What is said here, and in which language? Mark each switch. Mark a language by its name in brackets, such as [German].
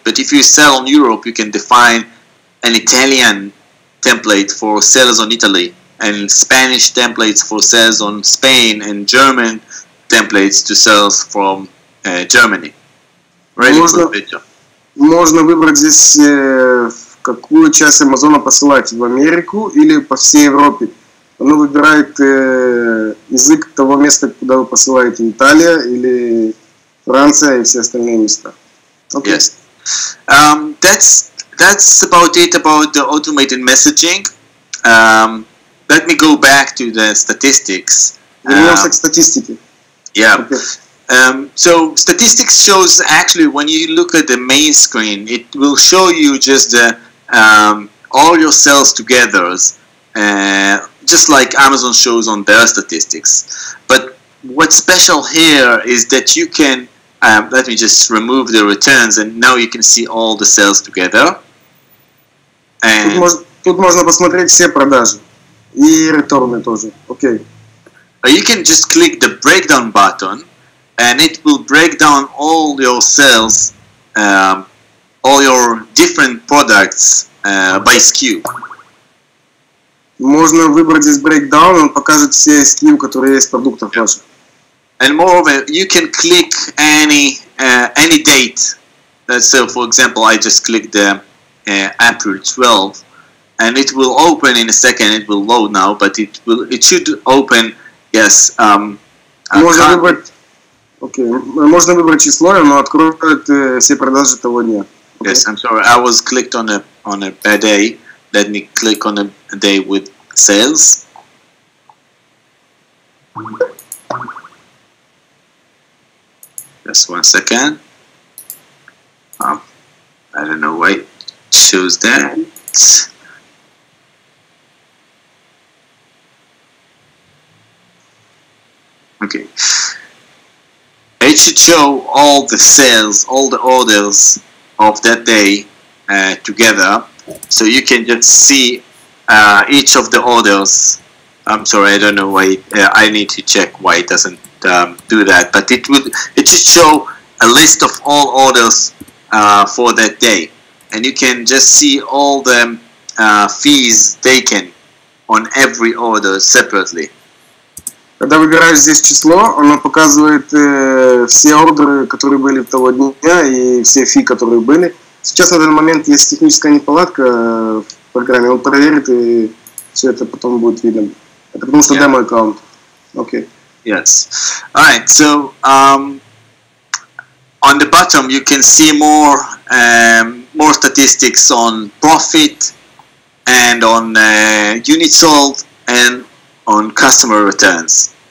[English] But if you sell in Europe, you can define an Italian template for sales on Italy and Spanish templates for sales on Spain and German templates to sales from Germany. Ready for the picture? [Russian] Можно выбрать здесь, какую часть Амазона посылать, в Америку или по всей Европе. Оно выбирает язык того места, куда вы посылаете, Италия или Франция и все остальные места. [English] Okay. Yes. That's about it about the automated messaging. Let me go back to the statistics. [Russian] Вернемся к статистике. [English] Yeah. Okay. So statistics shows actually when you look at the main screen, it will show you just all your sales together, just like Amazon shows on their statistics. But what's special here is that you can, let me just remove the returns, and now you can see all the sales together. And [Russian] тут можно посмотреть все продажи и [English] returns [Russian] тоже. [English] Okay. You can just click the breakdown button. And it will break down all your sales, all your different products by SKU. [Russian] Можно выбрать здесь breakdown, он покажет все SKU, которые есть в продуктах ваших. [English] And moreover, you can click any date. So, for example, I just clicked the April 12th, and it will open in a second. It will load now, but it should open. Yes. [Russian] Можно выбрать. [English] Okay, [Russian] можно выбрать число, но откроет все продажи того дня. [English] Okay. Yes, I'm sorry. I was clicked on a bad day. Let me click on a day with sales. Just one second. I don't know why. Choose that. Okay. It should show all the sales, all the orders of that day together. So you can just see each of the orders. I'm sorry, I don't know why. I need to check why it doesn't do that. But it should show a list of all orders for that day. And you can just see all the fees taken on every order separately. [Russian] Когда выбираешь здесь число, оно показывает все ордеры, которые были в того дня, и все фи, которые были. Сейчас на данный момент есть техническая неполадка в программе, он проверит, и все это потом будет видно. Это потому что демо-аккаунт. Окей. [English] Yes. All right, so on the bottom you can see more statistics on profit and on units sold and on customer returns.